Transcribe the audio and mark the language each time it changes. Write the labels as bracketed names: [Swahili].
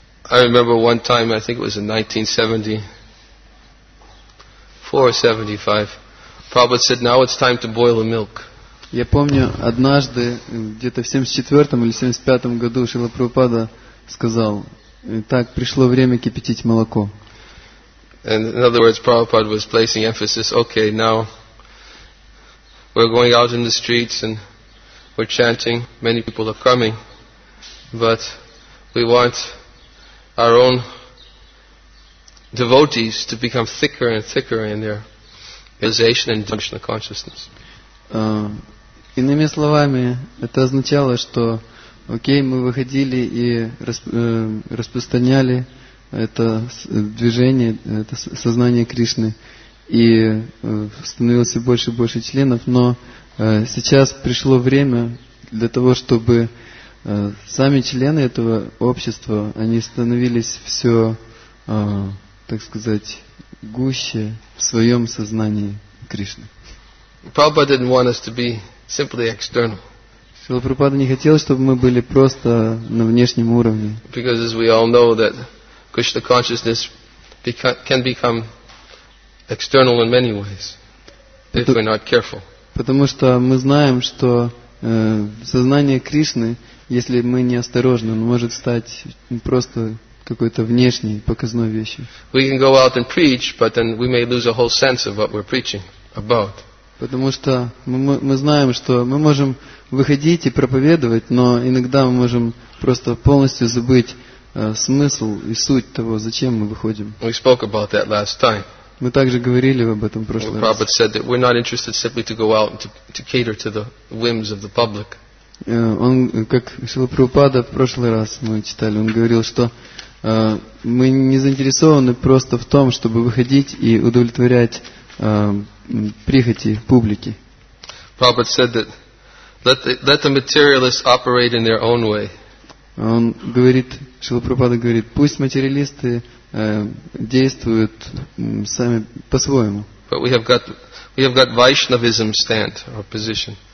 [English] I remember one time, I think it was in 1974 or 75, Prabhupada said, now it's time to boil the milk. [Russian] Я помню, однажды, где-то в 74-м или 75-м году, Шрила Прабхупада сказал, так, пришло время кипятить молоко. [English] And in other words, Prabhupada was placing emphasis, okay, now we're going out in the streets and we're chanting, many people are coming, but we want our own devotees to become thicker and thicker in their realization and functional consciousness. [Russian] Иными словами, это означало, что окей, мы выходили и распространяли это движение, это сознание Кришны, и становилось все больше и больше членов, но Сейчас пришло время для того, чтобы сами члены этого общества, они становились все, так сказать, гуще в своем сознании Кришны. [English] Prabhupada didn't want us to be simply external. [Russian] Шрила Прабхупада не хотел, чтобы мы были просто на внешнем уровне. [English] Because as we all know that Krishna consciousness can become external in many ways if we're not careful. [Russian] Потому что мы знаем, что сознание Кришны, если мы не осторожны, он может стать просто какой-то внешней показной вещью. [English] We can go out and preach, but then we may lose a whole sense of what we're preaching about. [Russian] Потому что мы знаем, что мы можем выходить и проповедовать, но иногда мы можем просто полностью забыть смысл и суть того, зачем мы выходим. [English] We spoke about that last time. [Russian] Мы также говорили об этом в прошлый раз. [English] Prabhupada said that we're not interested simply to go out and to cater to the whims of the public. [Russian] Он, как Шрила Прабхупада в прошлый раз мы читали, он говорил, что мы не заинтересованы просто в том, чтобы выходить и удовлетворять прихоти публики. [English] Prabhupada said that let the materialists operate in their own way. [Russian] Он говорит, Шрила Прабхупада говорит, пусть материалисты действуют сами по-своему. [English] But we have got Vaishnavism stand or position.